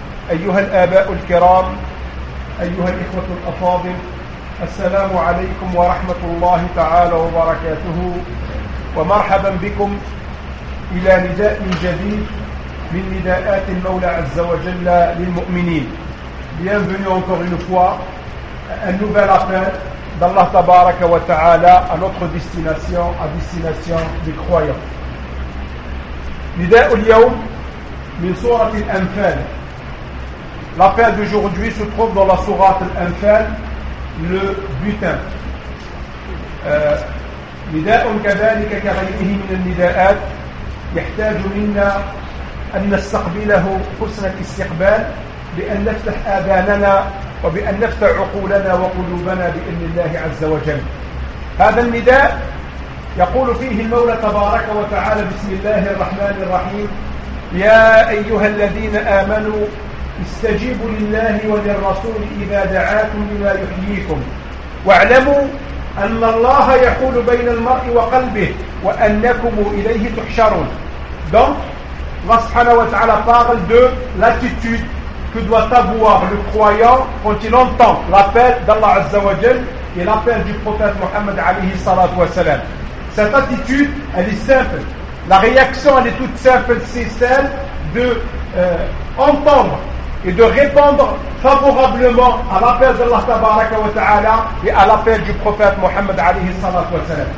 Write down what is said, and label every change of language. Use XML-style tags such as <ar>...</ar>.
<ar>أيها الآباء الكرام، أيها الإخوة الأفاضل، السلام عليكم ورحمة الله تعالى وبركاته، ومرحبا بكم إلى نداء جديد من نداءات المولى عز وجل للمؤمنين.</ar> <fr>Bienvenue encore une fois, un nouvel appel d'Allah تبارك وتعالى à notre destination, à destination des croyants.</fr> <ar>نداء اليوم من سورة الأنفال.</ar> <fr>L'appel d'aujourd'hui se trouve dans la sourate Al-Anfal, le butin.</fr> <ar>نداءٌ كذلك كغيره من النداءات يحتاج منا أن نستقبله حسن الاستقبال، بأن نفتح آذاننا وبأن نفتح عقولنا وقلوبنا بإذن الله عز وجل. هذا النداء يقول فيه المولى تبارك وتعالى: بسم الله الرحمن الرحيم، يا أيها الذين آمنوا استجيبوا لله وللرسول إذا دعاكم لما يحييكم، واعلموا أن الله يحول بين المرء وقلبه وأنكم إليه تحشرون.</ar> <fr>Donc, Allah subhanahu wa ta'ala parle de l'attitude que doit avoir le croyant quand il entend l'appel d'Allah Azza wa Jal et l'appel du prophète Muhammad alayhi salatu wa salam. Cette attitude, elle est simple. La réaction, elle est toute simple, c'est celle de entendre et de répondre favorablement à l'appel d'Allah tabaraka wa ta'ala et à l'appel du prophète Muhammad alayhi salatu wa salam.</fr>